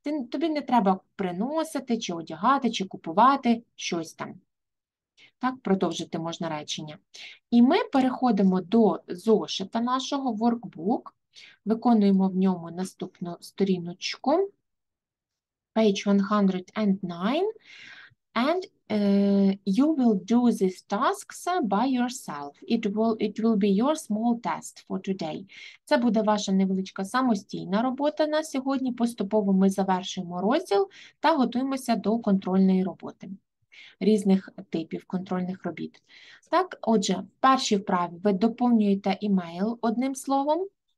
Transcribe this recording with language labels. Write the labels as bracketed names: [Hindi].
[Ukrainian] Тобі не треба приносити, чи одягати, чи купувати щось там. Так, продовжити можна речення. І ми переходимо до зошита нашого workbook. Виконуємо в ньому наступну сторіночку. [English] Page 109. And you will do these tasks by yourself. It will be your small test for today. [Ukrainian] Це буде ваша невеличка самостійна робота на сьогодні. Поступово ми завершуємо розділ та готуємося до контрольної роботи. Різних типів контрольних робіт. Так, отже, в першій вправі ви доповнюєте імейл одним словом.